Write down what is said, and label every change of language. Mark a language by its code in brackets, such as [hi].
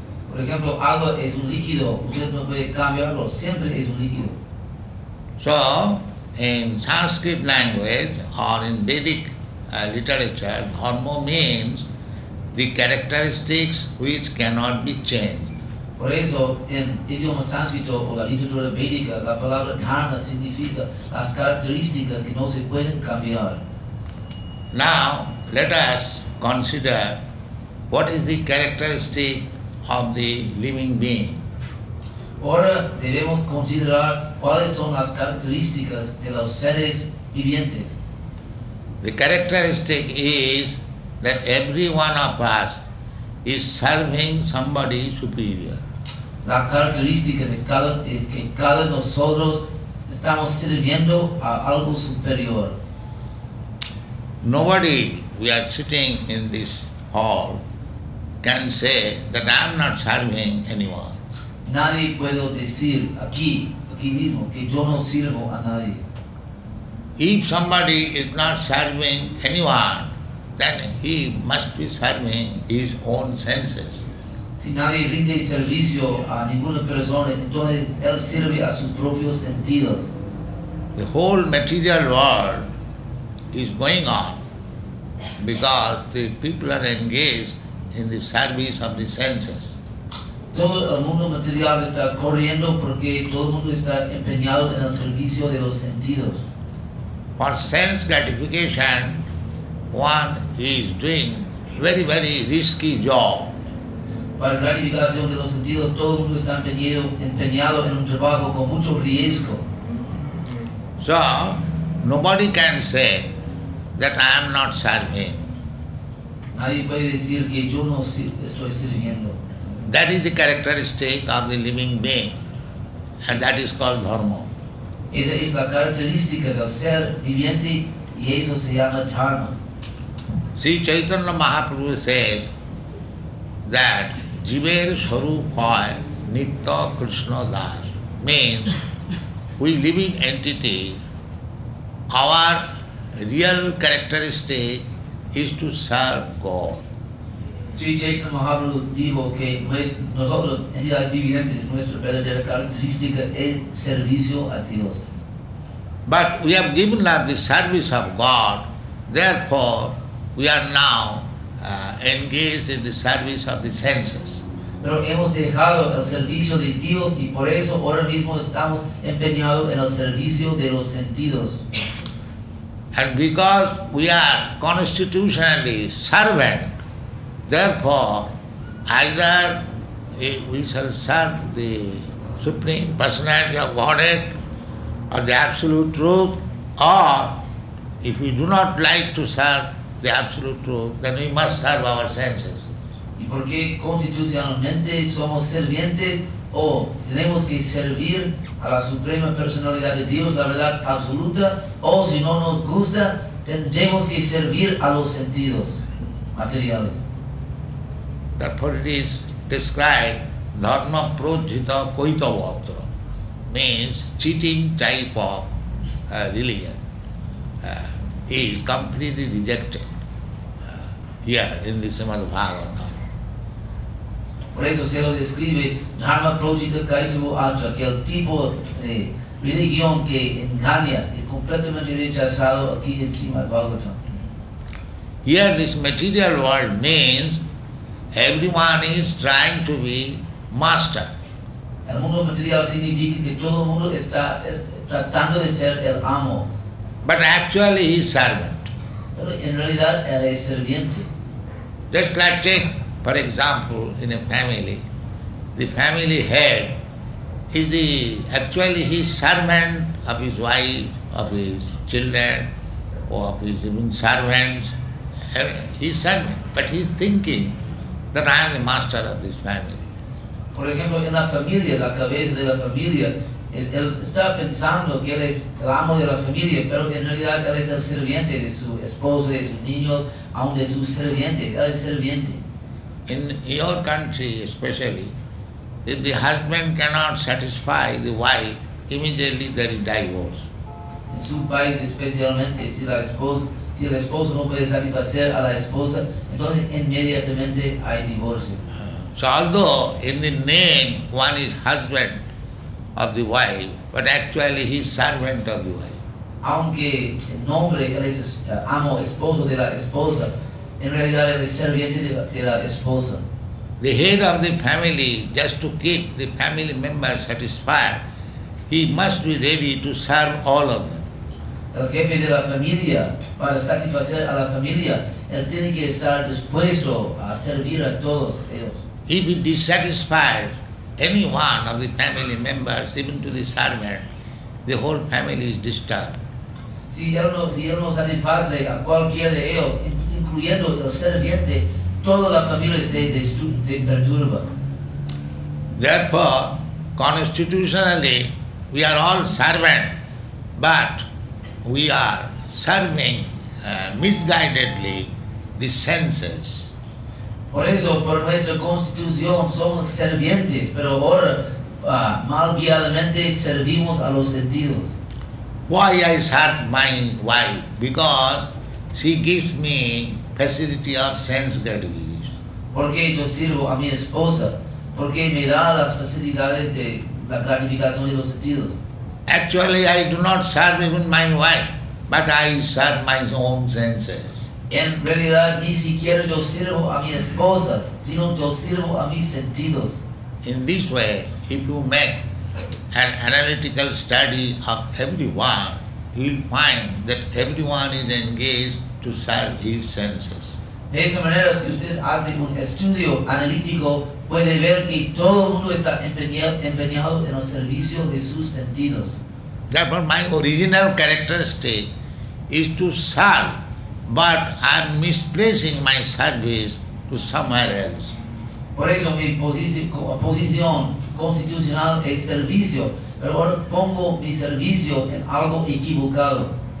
[es] Por ejemplo, agua es un líquido, usted no puede cambiarlo, siempre es un líquido. [en] So, in Sanskrit language or in Vedic literature, dharma means the characteristics which cannot be changed. [es] Por eso, en idioma sánscrito o la literatura védica, la palabra dharma significa las características que no se pueden cambiar. [en] Now, let us consider what is the characteristic of the living being. [es] Ahora debemos considerar cuáles son las características de los seres vivientes. [en] The characteristic is that every one of us is serving somebody superior. [es] La característica de cada es que cada nosotros estamos sirviendo a algo superior. [en] Nobody, we are sitting in this hall, can say that I am not serving anyone. [es] Nadie puedo decir aquí mismo que yo no sirvo a nadie. [en] If somebody is not serving anyone, then he must be serving his own senses. [es] Si nadie rinde servicio a ninguna persona, entonces él sirve a sus propios sentidos. [en] The whole material world is going on because the people are engaged in the service of the senses. [es] Todo el mundo material está corriendo porque todo el mundo está empeñado en el servicio de los sentidos. [en] For sense gratification, one is doing very, very risky job. [es] Para gratificación de los sentidos, todo el mundo está empeñado en un trabajo con mucho riesgo. [en] So, nobody can say that I am not serving. [es] Nadie puede decir que yo no estoy sirviendo. [en] That is the characteristic of the living being, and that is called dharma. [es] Esa es la característica del ser viviente y eso se llama dharma. [en] Sri Chaitanya Mahaprabhu said that [bn] Jiver Swarup Hoy Nitya Krishna Das [en] means we living entity, our real characteristic is to serve God. [es] Sri Chaitanya Mahaprabhu dijo que nosotros, entidades vivientes, nuestra verdadera característica es servicio a Dios. [en] But we have given up the service of God, therefore we are now engaged in the service of the senses. [es] Pero hemos dejado el servicio de Dios y por eso ahora mismo estamos empeñados en el servicio de los sentidos. [en] And because we are constitutionally servant, therefore either we shall serve the Supreme Personality of Godhead or the Absolute Truth, or if we do not like to serve the Absolute Truth, then we must serve our senses. [es] ¿Y por qué constitucionalmente somos servientes o tenemos que servir a la Suprema Personalidad de Dios, la verdad absoluta, o si no nos gusta, tendremos que servir a los sentidos materiales? [en] Therefore it is described [sa] dharma prajita koita vatra, [en] means cheating type of religion is completely rejected here in the Srimad Bhagavatam. [es] Por eso se lo describe [sa] dharma prajita koita vatra, [es] que el tipo de religión que engaña es completamente rechazado aquí en Srimad Bhagavatam. [en] Here this material world means everyone is trying to be master. [es] El mundo material significa que todo el mundo está tratando de ser el amo. [en] But actually he is servant. [es] Pero en realidad él es sirviente. [en] Just like take, for example, in a family, the family head is the, actually he is servant of his wife, of his children, or of his even servants. He is servant, but he is thinking that I am the master of this family. [es] Por ejemplo, en la familia, la cabeza de la familia, él está pensando que él es el amo de la familia, pero en realidad él es el sirviente de su esposo, de sus niños, aún de su sirviente, él es sirviente. [en] In your country especially, if the husband cannot satisfy the wife, immediately there is divorce. [es] En su país especialmente, si el esposo no puede satisfacer a la esposa, entonces, inmediatamente hay divorcio. [en] So although in the name one is husband of the wife, but actually he is servant of the wife. [es] Aunque en nombre él es amo, esposo de la esposa, en realidad él es serviente de la esposa. [en] The head of the family, just to keep the family members satisfied, he must be ready to serve all of them. [es] El jefe de la familia, para satisfacer a la familia, él tiene que estar dispuesto a servir a todos ellos. [en] If he dissatisfies any one of the family members, even to the servant, the whole family is disturbed. [es] Si él no satisface a cualquiera de ellos, incluyendo el serviente, toda la familia se perturba. [en] Therefore, constitutionally, we are all servants, but we are serving misguidedly the senses. [es] Por eso, por nuestra constitución, somos servientes, pero ahora, mal guiadamente, servimos a los sentidos. [en] Why I serve my wife? Because she gives me facility of sense gratification. [es] ¿Por qué yo sirvo a mi esposa? Porque me da las facilidades de la gratificación de los sentidos. [en] Actually, I do not serve even my wife, but I serve my own senses. [es] En realidad, ni siquiera yo sirvo a mi esposa, sino yo sirvo a mis sentidos. [en] In this way, if you make an analytical study of everyone, you will find that everyone is engaged to serve his senses. [es] De esa manera, si usted hace un estudio analítico, puede ver que todo el mundo está empeñado en el servicio de sus sentidos. [en] Therefore, my original characteristic is to serve, but I am misplacing my service to somewhere else. [es] Por eso mi posición constitucional es servicio, pero ahora pongo mi servicio en algo equivocado.